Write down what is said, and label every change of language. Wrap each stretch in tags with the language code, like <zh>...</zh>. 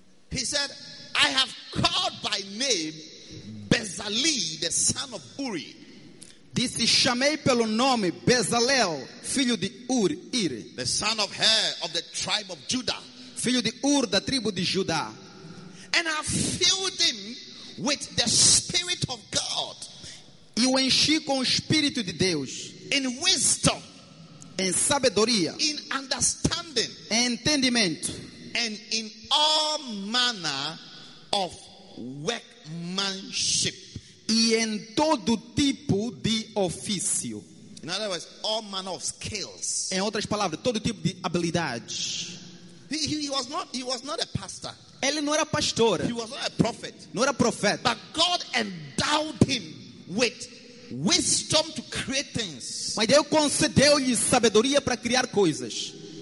<en>He said, I have called by name Bezalel, the son of Uri.</en> <pt>Disse, chamei pelo nome Bezalel, filho de Uri.</pt> <en>The son of Hur, of the tribe of Judah.</en> <pt>Filho de Ur, da tribo de Judá.</pt> <en>And I filled him with the Spirit of God.</en> <pt>E o enchi com o Espírito de Deus.</pt> <en>In wisdom.</en> <pt>Em sabedoria.</pt> <en>In understanding.</en> <pt>Em entendimento.</pt> <en>And in all manner of workmanship.</en> <pt>E em todo tipo de ofício.</pt> <en>In other words, all manner of skills.</en> <pt>Em outras palavras, todo tipo de habilidades.</pt> <en>He was not a pastor.</en> <pt>Ele não era pastor.</pt> <en>He was not a prophet.</en> <pt>Não era profeta.</pt> <en>But God endowed him with wisdom to create things.</en> <pt>Mas Deus concedeu-lhe sabedoria para criar coisas.</pt>